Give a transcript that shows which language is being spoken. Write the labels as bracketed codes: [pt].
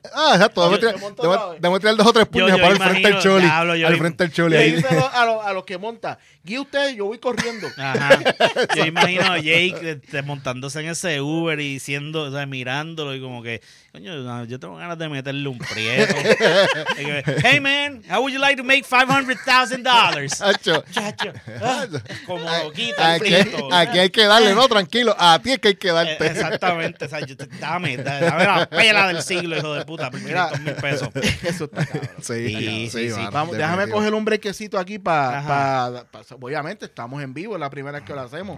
[es] Ah, exacto, demuestra dos o tres puños para al frente del Choli. Y díselo a los que monta. Guía usted, yo voy corriendo. Ajá. Yo imagino a Jake montándose en ese Uber y diciendo, o sea, mirándolo y como que, coño, yo tengo ganas de meterle un prieto. [en] Hey, man, how would you like to make $500,000? [es] Chacho. Como loquita, el prieto. Aquí hay que darle, no, tranquilo. A ti es que hay que darte. Exactamente. O sea, dame la pela del siglo, hijo de puta. Mira, $1,000. Eso está, cabrón. Sí. Vamos, déjame coger un brequecito aquí para... Obviamente, estamos en vivo, es la primera vez que lo hacemos.